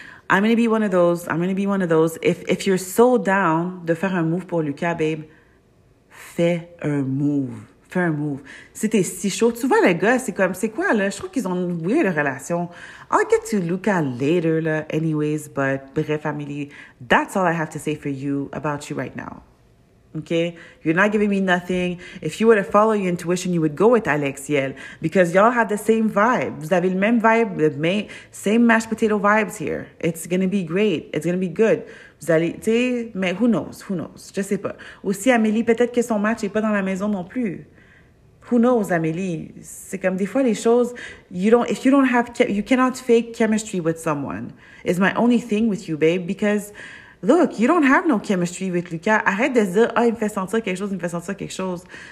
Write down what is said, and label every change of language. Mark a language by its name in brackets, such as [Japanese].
[English] If you're so down [French] de faire un move pour Lucas, babe, fais un move. Si t'es si chaud, tu vois le gars, c'est comme, c'est quoi, là? Je trouve qu'ils ont une weird relation. [English] I'll get to Lucas later, là, anyways, but bref, Amélie, that's all I have to say for you about you right now. Okay, you're not giving me nothing. If you were to follow your intuition, you would go with Alexiel because y'all have the same vibe. [French] Vous avez le même vibe, [English] same mashed potato vibes here. It's gonna be great. It's gonna be good. [French] Vous allez, tu sais, mais [English] who knows? [French] Je sais pas. Aussi, Amélie, peut-être que son match est pas dans la maison non plus. [English] Who knows, Amélie? [French] C'est comme des fois les choses. [English] You cannot fake chemistry with someone. It's my only thing with you, babe, because. Look, you don't have no chemistry with Lucas. [French] Arrête de dire, ah, oh, il me fait sentir quelque chose.